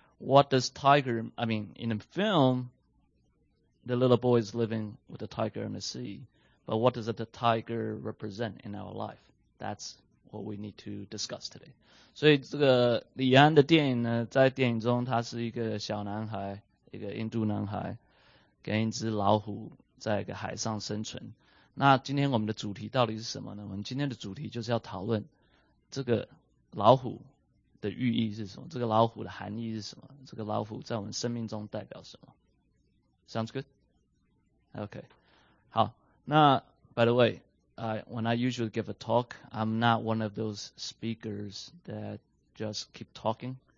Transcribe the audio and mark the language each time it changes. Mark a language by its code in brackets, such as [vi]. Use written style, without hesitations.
[en] What does tiger, I mean, in the film, the little boy is living with the tiger in the sea. But what does the tiger represent in our life? That's what we need to discuss today. So, this Li An's movie, in the movie, he's a little boy, a Indian boy, with a tiger. [zh] 在一个海上生存。那今天我们的主题到底是什么呢？我们今天的主题就是要讨论这个老虎的寓意是什么，这个老虎的含义是什么，这个老虎在我们生命中代表什么。 [en] Sounds good? Okay. 好, 那, by the way, when I usually give a talk, I'm not one of those speakers that just keep talking.